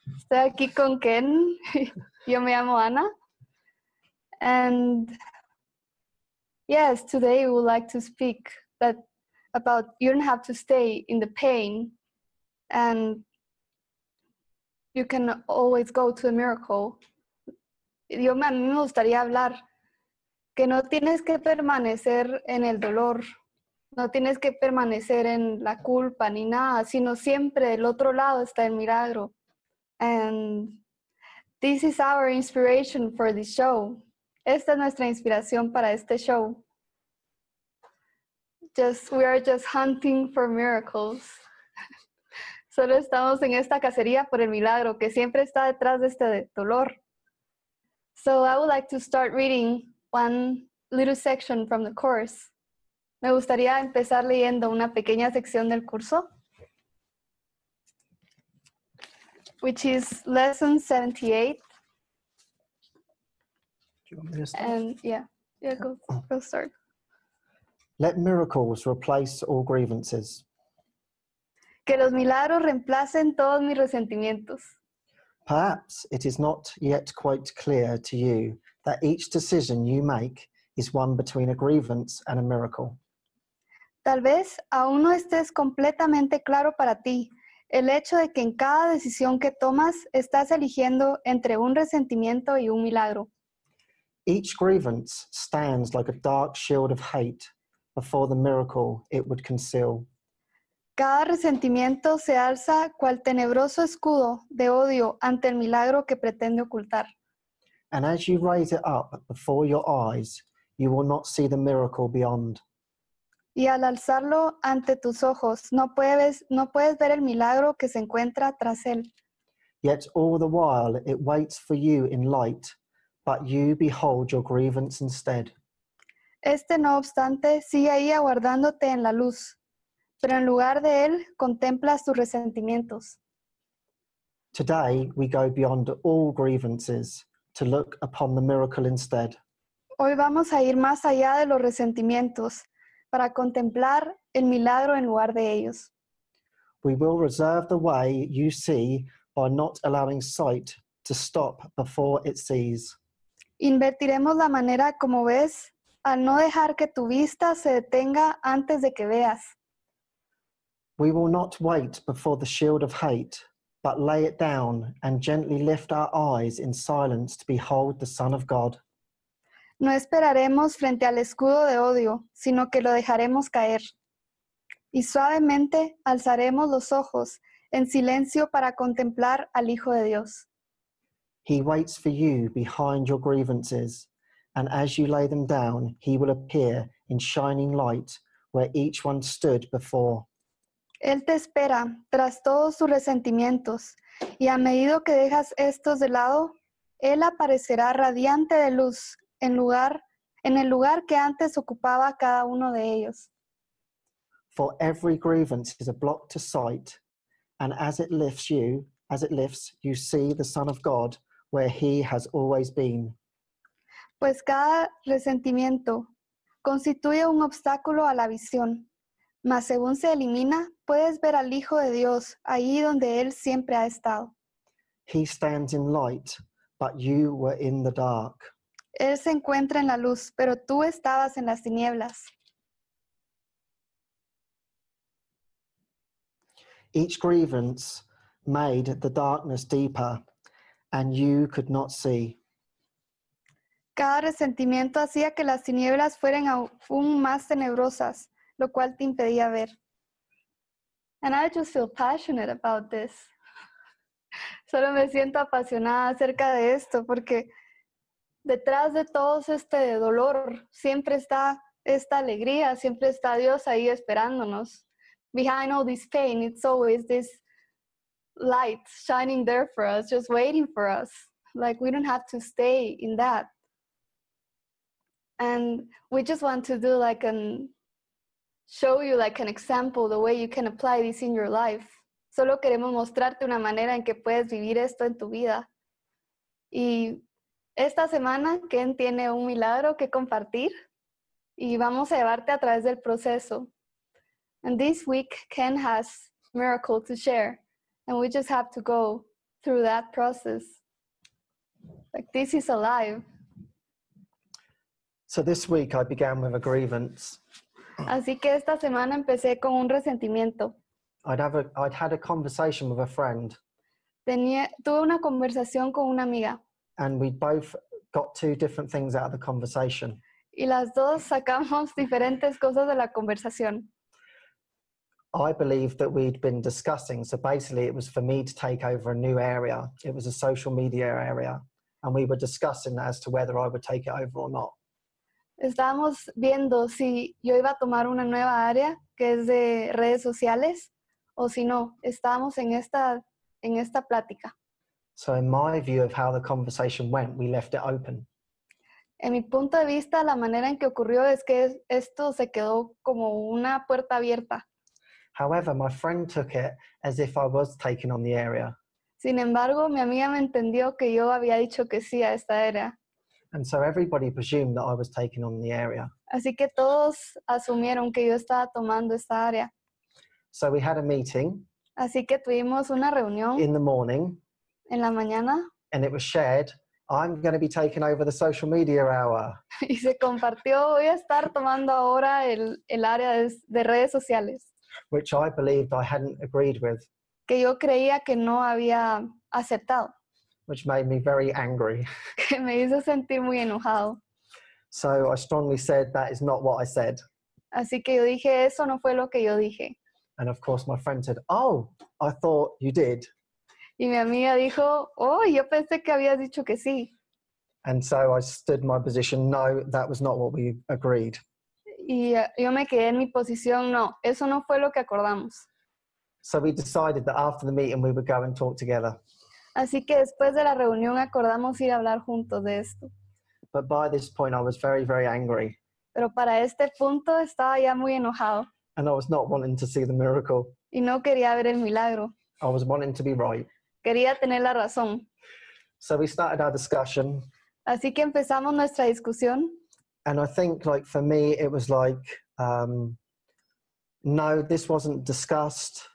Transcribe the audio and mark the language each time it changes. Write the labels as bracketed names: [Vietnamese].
[Spanish] Estoy aquí con Ken. Yo me llamo Anna. [English] And yes, today we would like to speak that about you don't have to stay in the pain, and you can always go to a miracle. [Spanish] Yo a mí me gustaría hablar que no tienes que permanecer en el dolor, no tienes que permanecer en la culpa ni nada, sino siempre del otro lado está el milagro. [English] And this is our inspiration for this show. [Spanish] Esta es nuestra inspiración para este show. [English] We are just hunting for miracles. [Spanish] Solo estamos en esta cacería por el milagro que siempre está detrás de este dolor. [English] So I would like to start reading one little section from the course. [Spanish] Me gustaría empezar leyendo una pequeña sección del curso, [English] which is lesson 78. And yeah, go start. Let miracles replace all grievances. [Spanish] Que los milagros reemplacen todos mis resentimientos. [English] Perhaps it is not yet quite clear to you that each decision you make is one between a grievance and a miracle. [Spanish] Tal vez aún no estés completamente claro para ti el hecho de que en cada decisión que tomas estás eligiendo entre un resentimiento y un milagro. [English] Each grievance stands like a dark shield of hate before the miracle it would conceal. [Spanish] Cada resentimiento se alza cual tenebroso escudo de odio ante el milagro que pretende ocultar. [English] And as you raise it up before your eyes, you will not see the miracle beyond. [Spanish] Y al alzarlo ante tus ojos, no puedes ver el milagro que se encuentra tras él. [English] Yet all the while it waits for you in light, but you behold your grievance instead. [Spanish] Este, no obstante, sigue ahí aguardándote en la luz, pero en lugar de él, contemplas tus resentimientos. [English] Today, we go beyond all grievances to look upon the miracle instead. [Spanish] Hoy vamos a ir más allá de los resentimientos para contemplar el milagro en lugar de ellos. [English] We will reserve the way you see by not allowing sight to stop before it sees. [Spanish] Invertiremos la manera como ves al no dejar que tu vista se detenga antes de que veas. [English] We will not wait before the shield of hate, but lay it down and gently lift our eyes in silence to behold the Son of God. [Spanish] No esperaremos frente al escudo de odio, sino que lo dejaremos caer. Y suavemente alzaremos los ojos en silencio para contemplar al Hijo de Dios. [English] He waits for you behind your grievances. And as you lay them down, he will appear in shining light where each one stood before. [Spanish] Él te espera tras todos tus resentimientos, y a medida que dejas estos de lado, él aparecerá radiante de luz en el lugar que antes ocupaba cada uno de ellos. [English] For every grievance is a block to sight, and as it lifts you, as it lifts, you see the Son of God where he has always been. [Spanish] Pues cada resentimiento constituye un obstáculo a la visión, mas según se elimina, puedes ver al Hijo de Dios allí donde él siempre ha estado. [English] He stands in light, but you were in the dark. [Spanish] Él se encuentra en la luz, pero tú estabas en las tinieblas. [English] Each grievance made the darkness deeper, and you could not see. [Spanish] Cada resentimiento hacía que las tinieblas fueran aún más tenebrosas, lo cual te impedía ver. [English] And I just feel passionate about this. [Spanish] Solo me siento apasionada acerca de esto, porque detrás de todo este dolor siempre está esta alegría, siempre está Dios ahí esperándonos. [English] Behind all this pain, it's always this light shining there for us, just waiting for us. Like, we don't have to stay in that. And we just want to do like an, show you like an example, the way you can apply this in your life. [Spanish] Solo queremos mostrarte una manera en que puedes vivir esto en tu vida. Y esta semana, Ken tiene un milagro que compartir. Y vamos a llevarte a través del proceso. [English] And this week, Ken has a miracle to share, and we just have to go through that process. Like, this is alive. So this week, I began with a grievance. [Spanish] Así que esta semana empecé con un resentimiento. [English] I'd had a conversation with a friend. [Spanish] Tuve una conversación con una amiga. [English] And we both got two different things out of the conversation. [Spanish] Y las dos sacamos diferentes cosas de la conversación. [English] I believe that we'd been discussing, so basically it was for me to take over a new area. It was a social media area, and we were discussing as to whether I would take it over or not. [Spanish] Estábamos viendo si yo iba a tomar una nueva área, que es de redes sociales, o si no. Estábamos en esta plática. [English] So in my view of how the conversation went, we left it open. [Spanish] En mi punto de vista, la manera en que ocurrió es que esto se quedó como una puerta abierta. [English] However, my friend took it as if I was taking on the area. [Spanish] Sin embargo, mi amiga me entendió que yo había dicho que sí a esta área. [English] And so everybody presumed that I was taking on the area. [Spanish] Así que todos asumieron que yo estaba tomando esta área. [English] So we had a meeting. [Spanish] Así que tuvimos una reunión. [English] In the morning. [Spanish] En la mañana. [English] And it was shared, I'm going to be taking over the social media hour. [Spanish] Y se compartió, voy a estar tomando ahora el área de redes sociales. [English] Which I believed I hadn't agreed with. [Spanish] Que yo creía que no había aceptado. [English] Which made me very angry. [Spanish] Que me hizo sentir muy enojado. [English] So I strongly said that is not what I said. [Spanish] Así que yo dije, eso no fue lo que yo dije. [English] And of course my friend said, oh, I thought you did. [Spanish] Y mi amiga dijo, oh, yo pensé que habías dicho que sí. [English] And so I stood my position, no, that was not what we agreed. [Spanish] Y yo me quedé en mi posición, no, eso no fue lo que acordamos. [English] So we decided that after the meeting we would go and talk together. [Spanish] Así que después de la reunión acordamos ir a hablar juntos de esto. [English] But by this point I was very, very angry. [Spanish] Pero para este punto estaba ya muy enojado. [English] And I was not wanting to see the miracle. [Spanish] Y no quería ver el milagro. [English] I was wanting to be right. [Spanish] Quería tener la razón. [English] So we started our discussion. [Spanish] Así que empezamos nuestra discusión. [English] And I think, like, for me, it was like, no, this wasn't discussed.